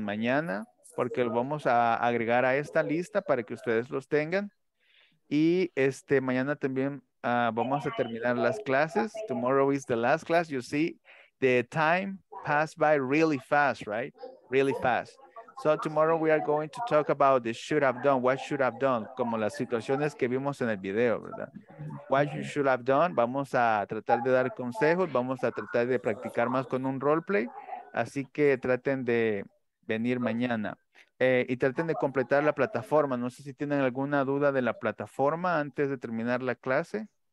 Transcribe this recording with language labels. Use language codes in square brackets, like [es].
[es] Mañana, porque lo vamos a agregar a esta lista para que ustedes los tengan. Y este mañana también vamos a terminar las clases. [en] Tomorrow is the last class. You see, the time passed by really fast, right? Really fast. So tomorrow we are going to talk about the should have done. What should have done? [es] Como las situaciones que vimos en el video, ¿verdad? [en] What you should have done. [es] Vamos a tratar de dar consejos. Vamos a tratar de practicar más con un roleplay. Así que traten de venir mañana. Y traten de completar la plataforma. No sé si tienen alguna duda de la plataforma antes de terminar la clase.